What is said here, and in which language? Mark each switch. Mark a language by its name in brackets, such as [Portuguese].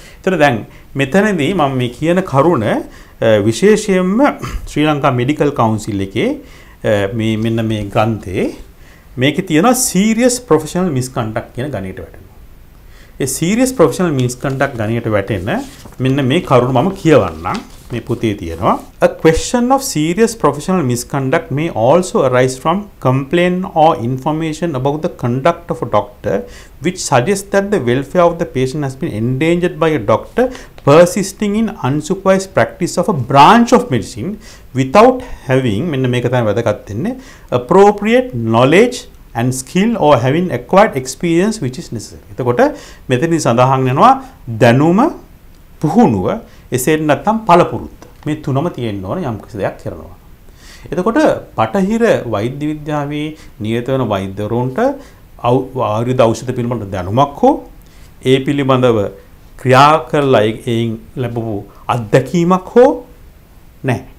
[Sinhala] එතන දැන් මෙතනදී මම මේ කියන කරුණ විශේෂයෙන්ම ශ්‍රී ලංකා මෙඩිකල් කවුන්සිල් එකේ මේ මෙන්න මේ ග්‍රන්ථයේ මේකේ තියෙනවා සීරියස් ප්‍රොෆෙෂනල් මිස්කන්ඩක්ට් කියන ගණිත වැටෙනවා. ඒ සීරියස් ප්‍රොෆෙෂනල් මිස්කන්ඩක්ට් ගණයට වැටෙන මෙන්න මේ කරුණ මම කියවන්නම්. මේ පුතේ තියෙනවා [English] a question of serious professional misconduct may also arise from complaint or information about the conduct of a doctor which suggests that the welfare of the patient has been endangered by a doctor persisting in unsupervised practice of a branch of medicine without having [Sinhala] මෙන්න මේක තමයි වැදගත් වෙන්නේ [English] appropriate knowledge and skill or having acquired experience which is necessary. [Sinhala] එතකොට මෙතනදී සඳහන් වෙනවා දැනුම පුහුණුව එසේ නැත්නම් පළපුරුද්ද මේ තුනම තියෙන්න ඕන යම් කිසි දෙයක් කරනවා. එතකොට පටහිර වෛද්‍ය විද්‍යාවේ නියත වෙන වෛද්‍යවරුන්ට ආයුර්වේද ඖෂධ පිළිබඳ දැනුමක් හෝ ඒ පිළිබඳව ක්‍රියා කරලා එයින් ලැබපු අත්දැකීමක් හෝ නැහැ.